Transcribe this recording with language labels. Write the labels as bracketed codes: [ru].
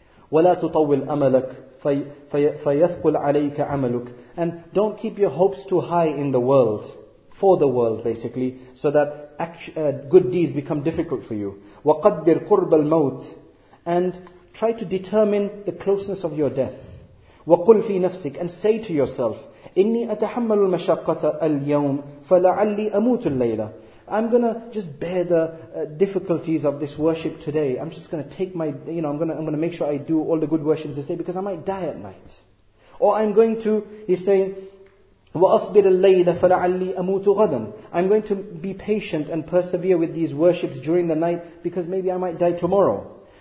[ar] وَلَا تُطَوِّلْ أَمَلَكْ فَيَثْقُلْ عَلَيْكَ عَمَلُكْ. [en] And don't keep your hopes too high in the world, for the world basically, so that good deeds become difficult for you. [ar] وَقَدِّرْ قُرْبَ الْمَوْتِ. [en] And try to determine the closeness of your death. [ar] وَقُلْ فِي نَفْسِكْ. [en] And say to yourself, [ar] إِنِّي أَتَحَمَّلُ الْمَشَقَّةَ الْيَوْمِ فَلَعَلِّي أَمُوتُ اللَّيْلَةِ. [en] I'm going to just bear the difficulties of this worship today. I'm just going to take my, you know, I'm going to make sure I do all the good worships this day because I might die at night. Or I'm going to, he's saying, [ar] وَأَصْبِرَ اللَّيْلَ فَلَعَلِّي أَمُوتُ غَدًا. [en] I'm going to be patient and persevere with these worships during the night because maybe I might die tomorrow.